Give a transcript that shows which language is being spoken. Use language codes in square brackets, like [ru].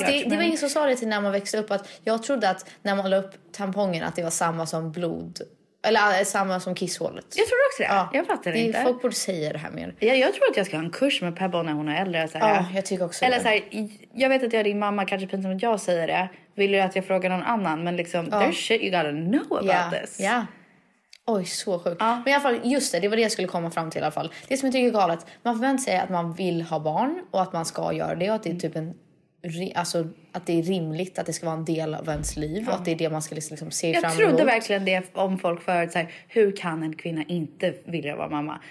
[sv] Fast det var ingen som sa det till när man växte upp. Att jag trodde att när man la upp tampongen att det var samma som blod... Eller samma som kisshålet. Jag tror också det. Ja. Jag fattar det inte. Folk borde säga det här mer. Ja, jag tror att jag ska ha en kurs med Pebble när hon är äldre. Såhär. Ja, jag tycker också eller såhär, jag vet att jag är din mamma, kanske pinsamt att jag säger det. Vill du att jag frågar någon annan? Men liksom, [en] there's shit you gotta know about this. [sv] Ja. Oj, så sjukt. Ja. Men i alla fall, just det var det jag skulle komma fram till i alla fall. Det som jag tycker är galet. Man förväntar sig att man vill ha barn och att man ska göra det. Och att det är typ en... Alltså att det är rimligt att det ska vara en del av ens liv och att det är det man ska liksom se jag fram emot. Jag trodde verkligen det om folk förut så här, hur kan en kvinna inte vilja vara mamma?